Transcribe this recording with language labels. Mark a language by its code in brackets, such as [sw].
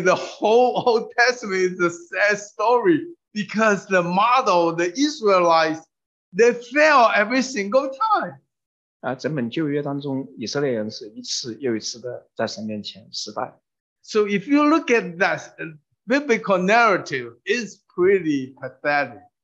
[en] the whole Old Testament is a sad story because the model, the Israelites, they fail every single time. [zh] 整本旧约当中，以色列人是一次又一次的在神面前失败。So [en] if you look at that biblical narrative, it's pretty pathetic.